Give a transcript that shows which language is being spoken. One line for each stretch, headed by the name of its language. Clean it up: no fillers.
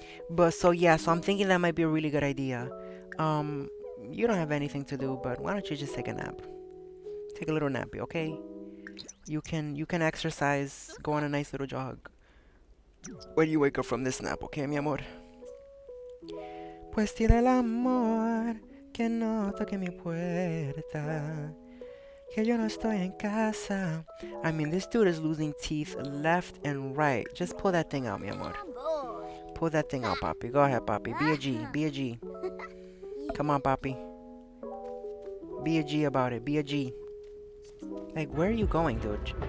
English: But so, yeah, so I'm thinking that might be a really good idea. You don't have anything to do, but why don't you just take a nap, take a little nappy, okay? You can exercise, go on a nice little jog when you wake up from this nap, okay,
Spanish: mi amor? Pues tira el amor que no toque mi puerta, que yo no estoy en casa.
English: I mean, this dude is losing teeth left and right. Just pull that thing out,
Spanish: mi amor.
English: Pull that thing out, papi. Go ahead, papi. Be a G. Come on, papi. Be a G about it. Be a G. Like, where are you going, dude?